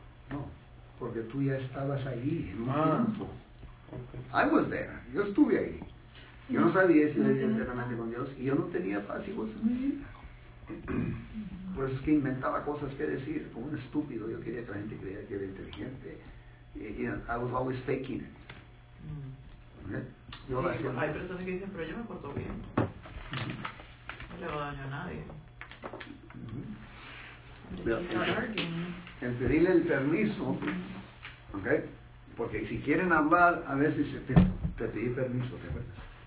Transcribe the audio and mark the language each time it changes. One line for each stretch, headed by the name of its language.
Spanish: No, porque tú ya estabas ahí en un tiempo. Okay.
English: I was there.
Spanish: Yo estuve ahí. Yo no sabía si vivía eternamente con Dios y yo no tenía paz y gozo en mi vida. Por eso es que inventaba cosas que decir, como un estúpido. Yo quería que la gente creyera que era inteligente.
English: Y, you know, I was always faking it. ¿Okay?
Spanish: Sí, hay personas que dicen, pero yo me porto bien. No le hago daño a nadie. Uh-huh. El pedirle el permiso, ¿okay? Porque si quieren hablar, a veces te pedí permiso, ¿te acuerdas?